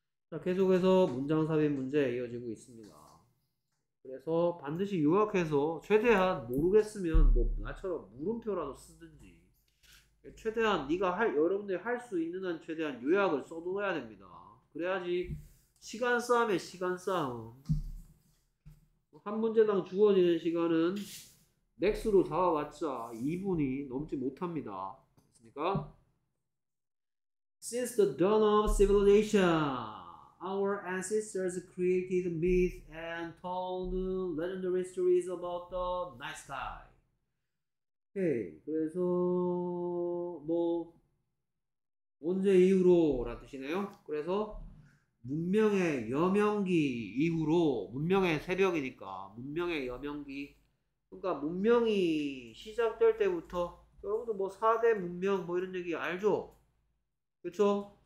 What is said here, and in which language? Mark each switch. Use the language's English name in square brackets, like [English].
[Korean] 자, 계속해서 문장 삽입 문제 이어지고 있습니다. 그래서 반드시 요약해서 최대한 모르겠으면 뭐 나처럼 물음표라도 쓰든지 최대한 네가 할 여러분들이 할 수 있는 한 최대한 요약을 써둬야 됩니다. 그래야지 시간 싸움에 시간 싸움 한 문제당 주어지는 시간은 맥스로 잡아봤자 2분이 넘지 못합니다. 그렇습니까? [English] Since the dawn of civilization, our ancestors created myths and told legendary stories about the night sky. [Korean] 네, 그래서 뭐 언제 이후로 라는 뜻이네요. 그래서 문명의 여명기 이후로, 문명의 새벽이니까 문명의 여명기, 그러니까 문명이 시작될 때부터 여러분도 뭐 4대 문명 뭐 이런 얘기 알죠? 그렇죠?